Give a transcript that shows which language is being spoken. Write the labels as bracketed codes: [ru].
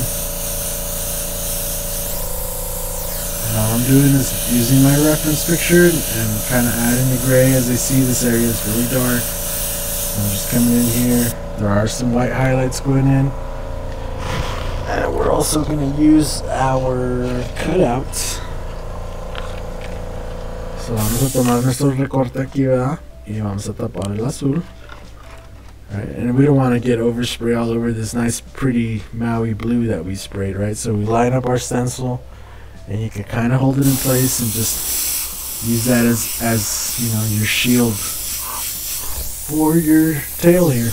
[en] And all I'm doing is using my reference picture and kind of adding the gray as I see this area is really dark. I'm just coming in here. There are some white highlights going in. And we're also going to use our cutout. [es] So vamos a tomar nuestro recorte aquí, ¿verdad? Y vamos a tapar el azul. [en] All right, and we don't want to get overspray all over this nice, pretty Maui blue that we sprayed, right? So we line up our stencil, and you can kind of hold it in place and just use that as you know, your shield for your tail here.